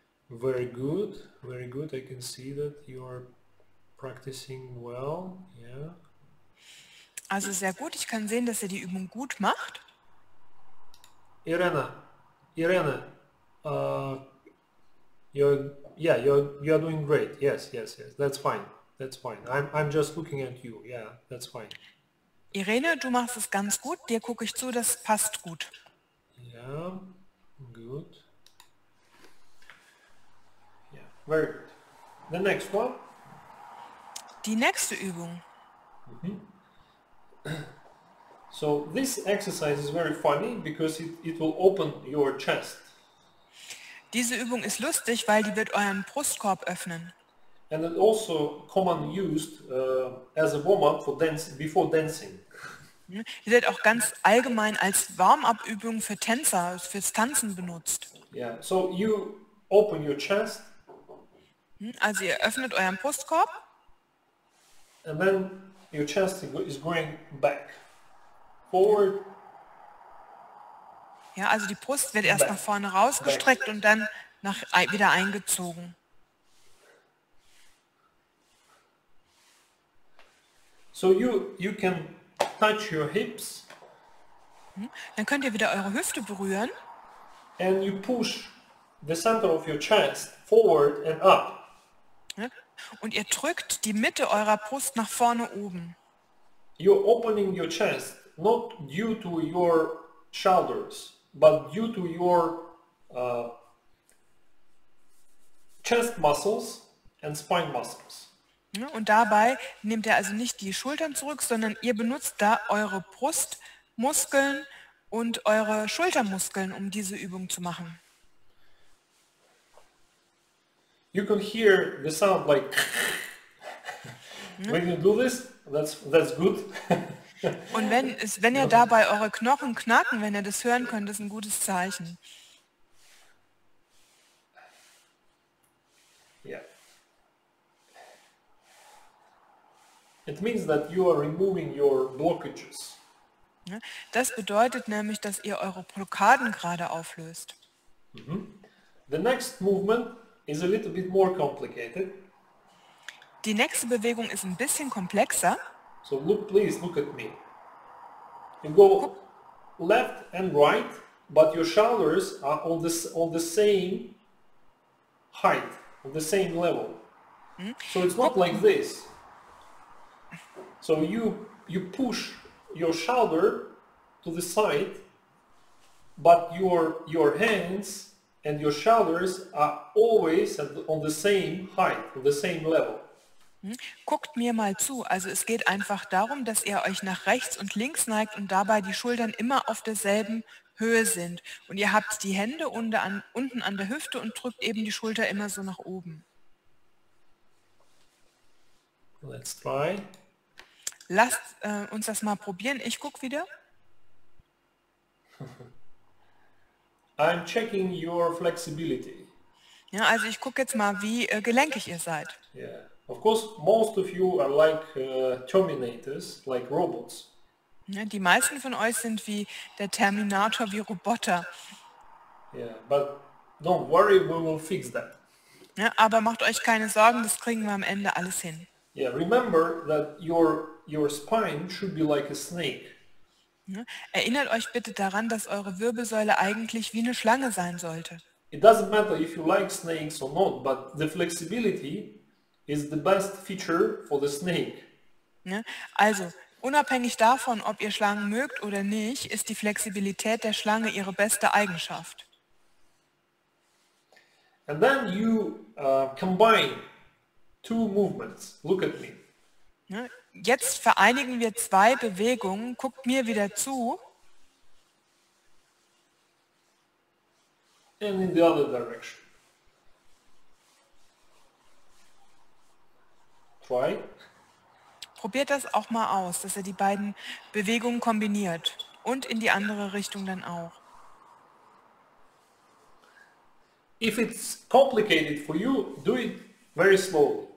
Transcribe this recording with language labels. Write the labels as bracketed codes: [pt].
[en] Very good, I can see that you are practicing well, yeah. [de] Also sehr gut, ich kann sehen, dass er die Übung gut macht. [en] Irene, you're doing great. Yes, that's fine. I'm just looking at you. Yeah, that's fine. [de] Irene, du machst es ganz gut. Dir gucke ich zu, das passt gut. [en] Yeah, good. Yeah, very good. The next one. [de] Die nächste Übung. [en] So this exercise is very funny because it will open your chest. [de] Diese Übung ist lustig, weil die wird euren Brustkorb öffnen. [en] And it also commonly used as a warm-up for dance before dancing. [de] Die wird auch ganz allgemein als Warm-up-Übung für Tänzer, fürs Tanzen benutzt. [en] Yeah, so you open your chest. [de] Also ihr öffnet euren Brustkorb. [en] And then your chest is going back, forward. [de] Ja, also die Brust wird erst nach vorne rausgestreckt und dann nach wieder eingezogen. [en] So you can touch your hips. [de] Dann könnt ihr wieder eure Hüfte berühren. [en] And you push the center of your chest forward and up. [de] Und ihr drückt die Mitte eurer Brust nach vorne oben. [en] You're opening your chest, not due to your shoulders, but due to your chest muscles and spine muscles. [de] Und dabei nehmt ihr also nicht die Schultern zurück, sondern ihr benutzt da eure Brustmuskeln und eure Schultermuskeln, um diese Übung zu machen. [en] You can hear the sound like when you do this, that's good. [de] Und wenn ihr dabei eure Knochen knacken, wenn ihr das hören könnt, das ist ein gutes Zeichen. [en] Yeah. It means that you are removing your blockages. [de] Das bedeutet nämlich, dass ihr eure Blockaden gerade auflöst. Mm-hmm. [en] The next movement is a little bit more complicated. [de] Die nächste Bewegung ist ein bisschen komplexer. [en] So look, please look at me. You go left and right, but your shoulders are on the same height, on the same level. So it's not like this. So you push your shoulder to the side, but your hands And your shoulders are always on the same height, on the same level. [de] Guckt mir mal zu. Also es geht einfach darum, dass ihr euch nach rechts und links neigt und dabei die Schultern immer auf derselben Höhe sind. Und ihr habt die Hände unten an der Hüfte und drückt eben die Schulter immer so nach oben. [en] Let's try. [de] Lasst uns das mal probieren. Ich guck wieder. [en] I'm checking your flexibility. [de] Ja, also ich gucke jetzt mal, wie gelenkig ihr seid. [en] Yeah. Of course, most of you are like Terminators, like robots. [de] Ja, die meisten von euch sind wie der Terminator, wie Roboter. [en] Yeah, but don't worry, we will fix that. [de] Ja, aber macht euch keine Sorgen, das kriegen wir am Ende alles hin. [en] Yeah, remember that your spine should be like a snake. [de] Erinnert euch bitte daran, dass eure Wirbelsäule eigentlich wie eine Schlange sein sollte. [en] It doesn't matter if you like snakes or not, but the flexibility is the best feature for the snake. [de] Also, unabhängig davon, ob ihr Schlangen mögt oder nicht, ist die Flexibilität der Schlange ihre beste Eigenschaft. [en] And then you combine two movements. Look at me. [de] Jetzt vereinigen wir zwei Bewegungen. Guckt mir wieder zu. [en] And in the other direction. Try. [de] Probiert das auch mal aus, dass ihr die beiden Bewegungen kombiniert. Und in die andere Richtung dann auch. [en] If it's complicated for you, do it very slowly.